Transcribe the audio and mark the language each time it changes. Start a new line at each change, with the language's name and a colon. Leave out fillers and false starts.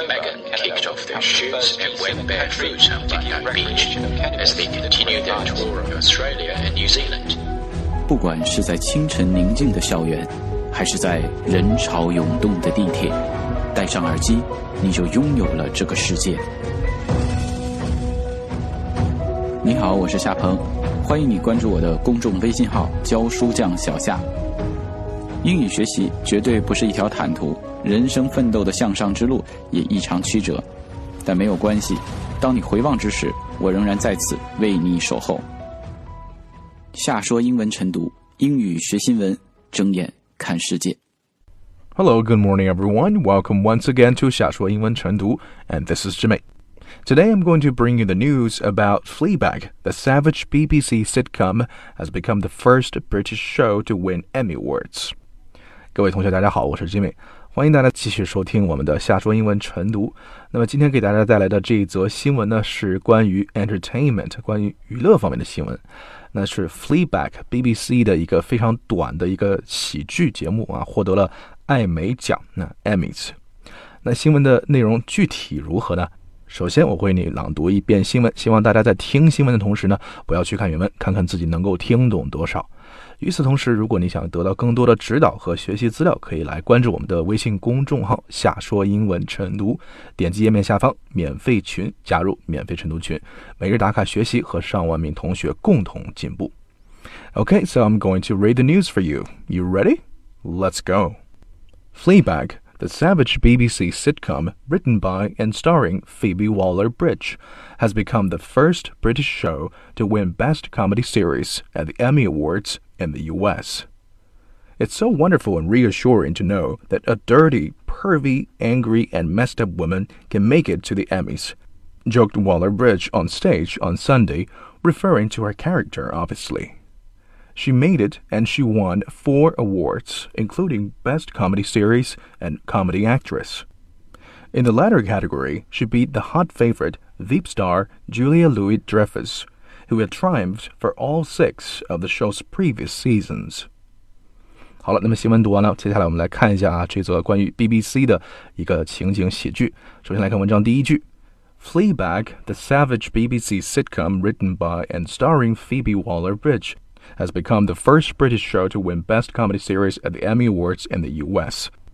English: Meghan kicked off their shoots and went barefoot on Bondi Beach as they continued their tour of Australia and New Zealand.
Chinese: 不管是在清晨宁静的校园，还是在人潮涌动的地铁，戴上耳机，你就拥有了这个世界。你好，我是夏鹏，欢迎你关注我的公众微信号教书匠小夏。英语学习绝对不是一条坦途，人生奋斗的向上之路也异常曲折，但没有关系，当你回望之时，我仍然在此为你守候。夏说英文晨读，英语学新闻，睁眼看世界。
English: Hello, good morning everyone. Welcome once again to 夏说英文晨读 and this is Jimmy. Today I'm going to bring you the news about Fleabag, the savage BBC sitcom, has become the first British show to win Emmy Awards.
Chinese: 各位同学大家好，我是 Jimmy， 欢迎大家继续收听我们的夏说英文晨读。那么今天给大家带来的这一则新闻呢，是关于 entertainment， 关于娱乐方面的新闻。那是 Fleabag BBC 的一个非常短的一个喜剧节目啊，获得了艾美奖，那 Emmys。那新闻的内容具体如何呢？首先我会你朗读一遍新闻，希望大家在听新闻的同时呢，不要去看原文，看看自己能够听懂多少。与此同时，如果你想得到更多的指导和学习资料，可以来关注我们的微信公众号夏说英文晨读，点击页面下方免费群，加入免费晨读群，每日打卡学习，和上万名同学共同进步。
English: OK, so I'm going to read the news for you. You ready? Let's go. Fleabag. The savage BBC sitcom, written by and starring Phoebe Waller-Bridge, has become the first British show to win Best Comedy Series at the Emmy Awards in the US. It's so wonderful and reassuring to know that a dirty, pervy, angry, and messed up woman can make it to the Emmys, joked Waller-Bridge on stage on Sunday, referring to her character, obviously. She made it, and she won 4 awards, including Best Comedy Series and Comedy Actress. In the latter category, she beat the hot favorite, Veep star Julia Louis-Dreyfus, who had triumphed for all 6 of the show's previous seasons.
Chinese: 好了，那么新闻读完了，接下来我们来看一下啊，这则关于 BBC 的一个情景喜剧。首先来看文章第一句。
English: Fleabag, the savage BBC sitcom written by and starring Phoebe Waller-Bridge,has become the first British show to win Best Comedy Series at the Emmy Awards in the US.